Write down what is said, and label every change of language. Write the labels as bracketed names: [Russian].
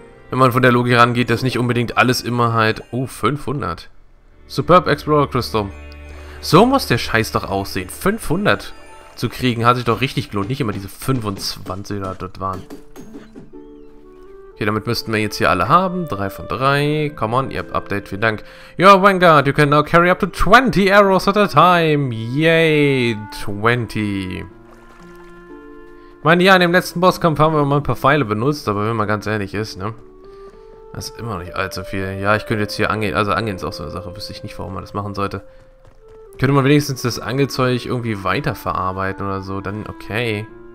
[German] Wenn man von der Logik rangeht, dass nicht unbedingt alles immer halt... Oh, 500. Superb Explorer Crystal. So muss der Scheiß doch aussehen. 500 zu kriegen hat sich doch richtig gelohnt. Nicht immer diese 25 da dort waren. Okay, damit müssten wir jetzt hier alle haben. 3 von 3. [English] Come on, [German] ihr habt Update. Vielen Dank. [English] Your Vanguard, you can now carry up to 20 arrows at a time. Yay, 20. [German] Ich meine, ja, in dem letzten Bosskampf haben wir mal ein paar Pfeile benutzt, aber wenn man ganz ehrlich ist, ne? Das ist immer noch nicht allzu viel. Ja, ich könnte jetzt hier angehen, also angehen ist auch so eine Sache, wüsste ich nicht, warum man das machen sollte. Könnte man wenigstens das Angelzeug irgendwie weiterverarbeiten oder so, dann okay.